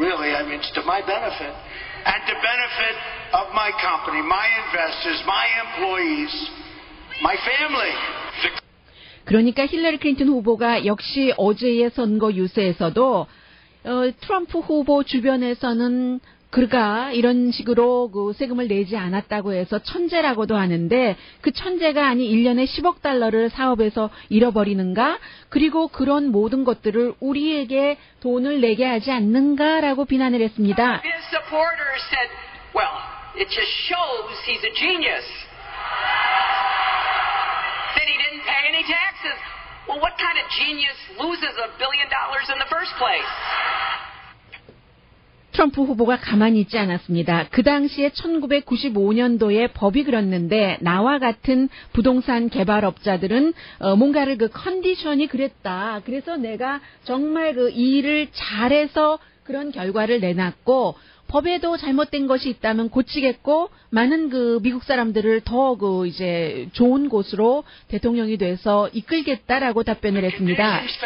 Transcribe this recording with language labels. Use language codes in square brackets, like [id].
[en] And the benefit of my company, my investors, my employees, my family. [ko] 그러니까 힐러리 클린턴 후보가 역시 어제의 선거 유세에서도 트럼프 후보 주변에서는 그가 이런 식으로 그 세금을 내지 않았다고 해서 천재라고도 하는데 그 천재가 아니 1년에 10억 달러를 사업에서 잃어버리는가? 그리고 그런 모든 것들을 우리에게 돈을 내게 하지 않는가라고 비난을 했습니다. [en] His supporters said, well, it just shows he's a genius. That he didn't pay any taxes. Well, what kind of genius loses $1 billion in the first place? [ko] 트럼프 후보가 가만히 있지 않았습니다. 그 당시에 1995년도에 법이 그랬는데 나와 같은 부동산 개발업자들은 뭔가를 그 컨디션이 그랬다. 그래서 내가 정말 그 일을 잘해서 그런 결과를 내놨고 법에도 잘못된 것이 있다면 고치겠고 많은 그 미국 사람들을 더 그 이제 좋은 곳으로 대통령이 돼서 이끌겠다라고 답변을 했습니다.